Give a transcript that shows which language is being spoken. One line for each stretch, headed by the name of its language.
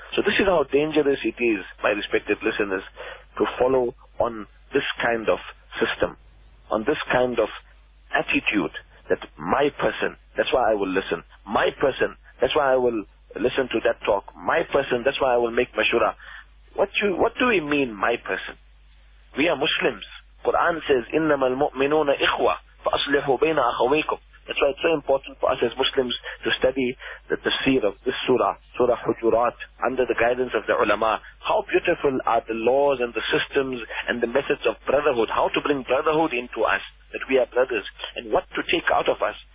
English: So this is how dangerous it is, my respected listeners, to follow on this kind of system, on this kind of attitude, that my person, that's why I will listen. My person, that's why I will listen to that talk. My person, that's why I will make mashura. What do we mean, my person? We are Muslims. Quran says,
Arabic: إِنَّمَا الْمُؤْمِنُونَ إِخْوَةً فَأَصْلِحُوا بَيْنَ أَخَوَيْكُمْ.
English: That's why it's so important for us as Muslims to study the tafsir of this surah, Surah Hujurat, under the guidance of the ulama. How beautiful are the laws and the systems and the methods of brotherhood, how to bring brotherhood into us, that we are brothers, and what to take out of us.